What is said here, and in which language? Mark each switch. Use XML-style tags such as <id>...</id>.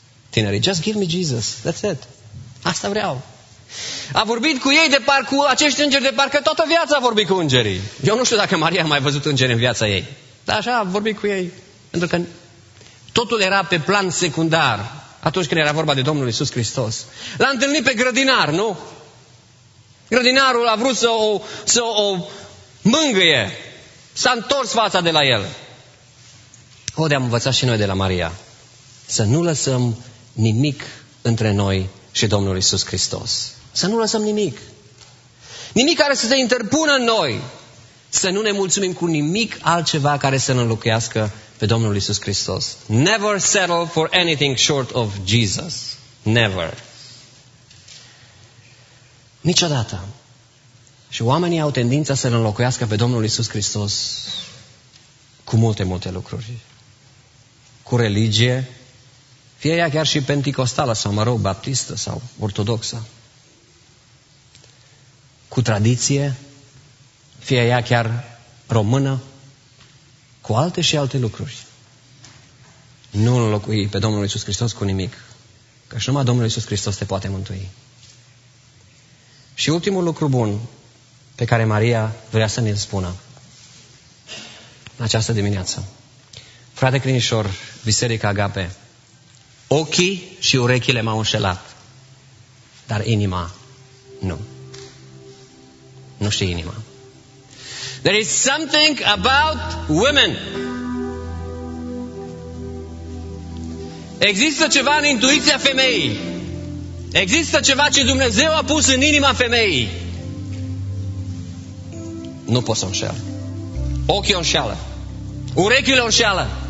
<ro>Tinerii,</ro> <en>just give me Jesus, that's it.</en> <ro>Asta vreau. A vorbit cu ei de parcă, acești îngeri, de parcă toată viața a vorbit cu îngerii. Eu nu știu dacă Maria a mai văzut îngeri în viața ei. Dar așa a vorbit cu ei. Pentru că totul era pe plan secundar atunci când era vorba de Domnul Iisus Hristos. L-a întâlnit pe grădinar, nu? Grădinarul a vrut să o mângâie. S-a întors fața de la el. O, de-am învățat și noi de la Maria. Să nu lăsăm nimic între noi și Domnul Iisus Hristos. Să nu lăsăm nimic. Nimic care să se interpună în noi. Să nu ne mulțumim cu nimic altceva care să ne înlocuiască pe Domnul Iisus Hristos.</ro> <en>Never settle for anything short of Jesus. Never.</en> <ro>Niciodată. Și oamenii au tendința să-L înlocuiască pe Domnul Iisus Hristos cu multe, multe lucruri. Cu religie, fie ea chiar și penticostală sau, mă rog, baptistă sau ortodoxă. Cu tradiție, fie ea chiar română, cu alte și alte lucruri. Nu înlocui pe Domnul Iisus Hristos cu nimic, că și numai Domnul Iisus Hristos te poate mântui. Și ultimul lucru bun pe care Maria vrea să ne-l spună în această dimineață. Frate Crinișor, Biserica Agape, ochii și urechile m-au înșelat, dar inima nu. Nu știe inima.</ro> <en>There is something about women.</en> <ro>Există ceva în intuiția femeii. Există ceva ce Dumnezeu a pus în inima femeii. Nu poți să înșel. Ochii o înșeală. Urechile o înșeală.</ro>